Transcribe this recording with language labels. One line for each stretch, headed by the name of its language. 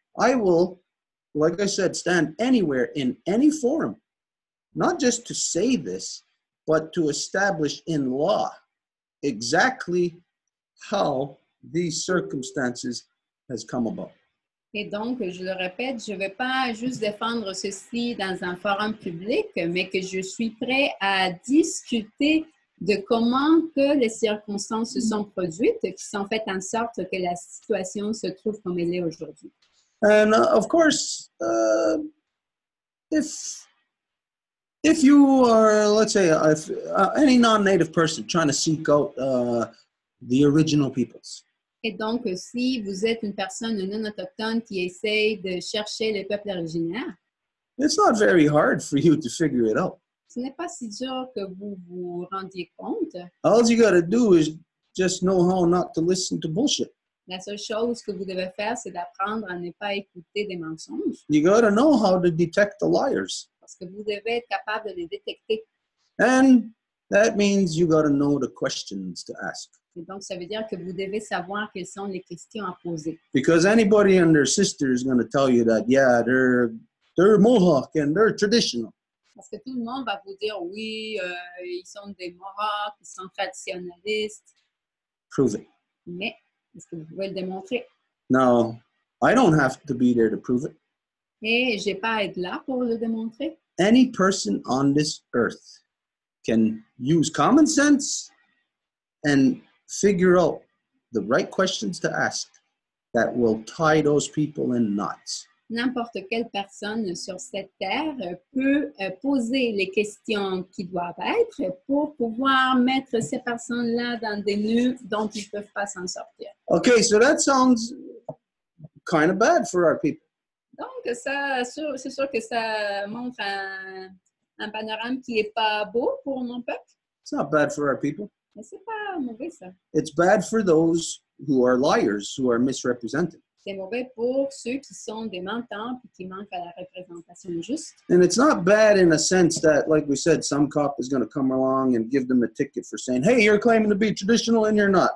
English: I will, like I said, stand anywhere in any forum, not just to say this, but to establish in law exactly how these circumstances has come about.
French: Et donc, je le répète, je ne vais pas juste défendre ceci dans un forum public, mais que je suis prêt à discuter de comment que les circonstances se sont produites qui sont faites en sorte que la situation se trouve comme elle est aujourd'hui.
English: And of course, if you are, let's say, any non-native person trying to seek out the original peoples.
French: Et donc, si vous êtes une personne non-autochtone qui essaye de chercher les peuples originaires,
English: it's not very hard for you to figure it out.
French: Ce n'est pas si dur que vous vous rendiez compte.
English: All you gotta do is just know how not to listen to bullshit.
French: La seule chose que vous devez faire, c'est d'apprendre à ne pas écouter des mensonges.
English: You gotta know how to detect the liars.
French: Parce que vous devez être capable de les détecter.
English: And that means you gotta know the questions to ask.
French: Et donc, ça veut dire que vous devez savoir quelles sont les questions à poser.
English: Because anybody and their sister is gonna tell you that, yeah, they're Mohawk and they're traditional.
French: Parce que tout le monde va vous dire, oui, ils sont des Mohawks, ils sont traditionnalistes.
English: Prove it.
French: Mais, est-ce que vous pouvez le démontrer?
English: No, I don't have to be there to prove it.
French: Et je n'ai pas à être là pour le démontrer.
English: Any person on this earth can use common sense and figure out the right questions to ask that will tie those people in knots.
French: N'importe quelle personne sur cette terre peut poser les questions qui doivent être pour pouvoir mettre ces personnes-là dans des nœuds dont ils ne peuvent pas s'en sortir.
English: OK, so that sounds kind of bad for our people.
French: Donc, ça, c'est sûr que ça montre un panorama qui n'est pas beau pour mon peuple.
English: It's not bad for our people.
French: Mais ce n'est pas mauvais, ça.
English: It's bad for those who are liars, who are misrepresented.
French: C'est mauvais pour ceux qui sont des mentants et qui manquent à la représentation juste.
English: And it's not bad in a sense that, like we said, some cop is going to come along and give them a ticket for saying, hey, you're claiming to be traditional and you're not.